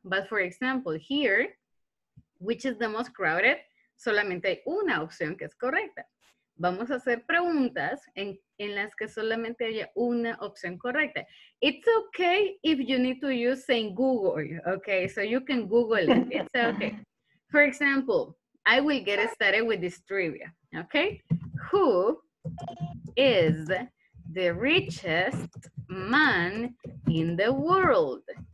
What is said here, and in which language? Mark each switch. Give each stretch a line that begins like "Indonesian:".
English: But for example, here, which is the most crowded?
Spanish: Solamente hay una opción que es correcta. Vamos a hacer preguntas en las que solamente haya una opción correcta.
English: It's okay if you need to use Saint Google, okay? So you can Google it, it's okay. For example, I will get started with this trivia, okay? Who is the richest man in the world?